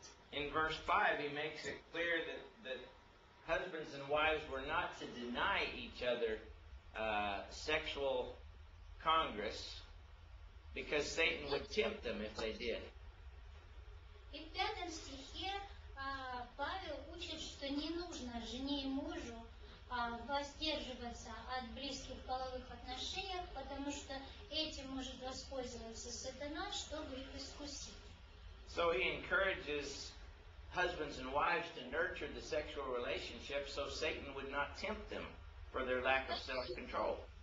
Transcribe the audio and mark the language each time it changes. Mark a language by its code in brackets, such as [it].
[en] In verse 5, he makes it clear that husbands and wives were not to deny each other sexual congress, because Satan would tempt them if they did. [ru] И в пятом стихе Павел учит, что не нужно жене и мужу воздерживаться от близких половых отношений, потому что этим может воспользоваться сатана, чтобы их искусить. [en] So he encourages husbands and wives to nurture the sexual relationship so Satan would not tempt them for their lack of self-control.